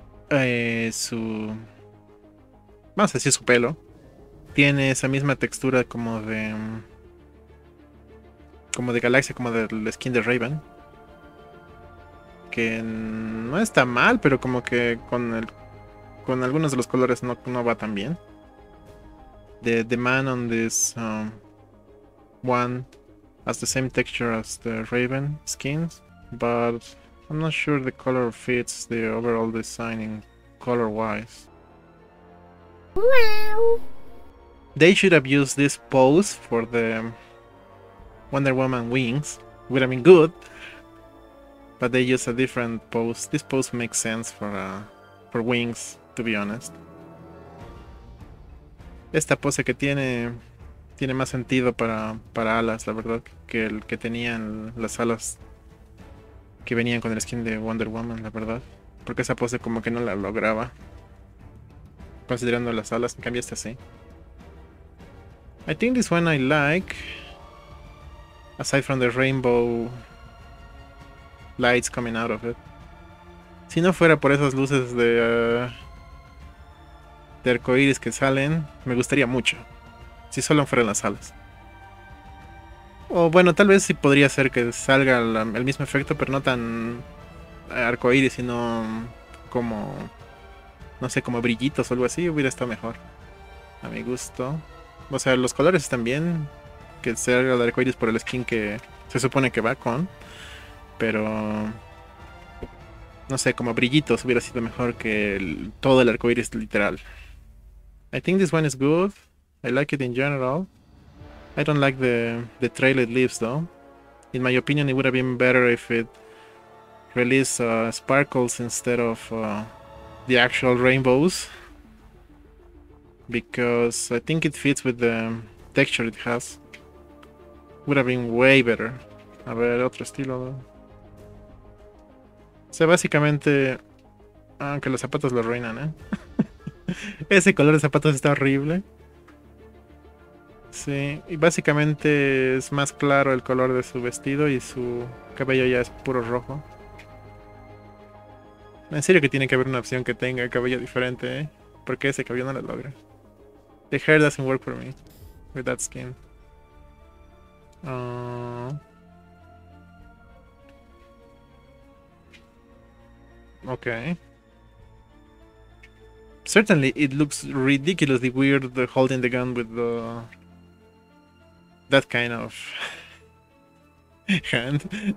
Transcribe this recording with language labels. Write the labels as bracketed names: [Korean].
[Spanish] Vamos a decir su pelo. Tiene esa misma textura como de... Como de galaxia, como del skin de Raven. Que no está mal, pero como que con algunos de los colores no va tan bien. [English] The man on this one has the same texture as the Raven skins, but I'm not sure the color fits the overall design in color wise. They should have used this pose for the Wonder Woman wings. Would have been good, but they use a different pose. This pose makes sense for wings, to be honest. [Spanish] Esta pose que tiene más sentido para alas, la verdad, que el que tenían las alas que venían con el skin de Wonder Woman, la verdad, porque esa pose como que no la lograba. Considerando las alas, en cambio está así. [English] I think this one I like. [Spanish] Aside from the rainbow lights coming out of it. Si no fuera por esas luces de arcoíris que salen, me gustaría mucho. Si solo fueran las alas. O bueno, tal vez sí podría ser que salga el mismo efecto, pero no tan arcoíris, sino como No sé, como brillitos o algo así, hubiera estado mejor. A mi gusto. O sea, los colores están bien. Que sea el Arco Iris por el skin que se supone que va con. Pero no sé, como brillitos hubiera sido mejor que todo el arco iris literal. [English] I think this one is good. I like it in general. I don't like the trail it leaves, though. In my opinion, it would have been better if it released sparkles instead of the actual rainbows. Because I think it fits with the texture it has. Would have been way better. [Spanish] A ver, otro estilo. O sea, básicamente, aunque los zapatos lo arruinan, ¿eh? Ese color de zapatos está horrible. Sí, y básicamente es más claro el color de su vestido y su cabello ya es puro rojo. En serio que tiene que haber una opción que tenga el cabello diferente, ¿eh? Porque ese cabello no lo logra. [English] The hair doesn't work for me with that skin. Okay. Certainly, it looks ridiculously weird holding the gun with the that kind of hand.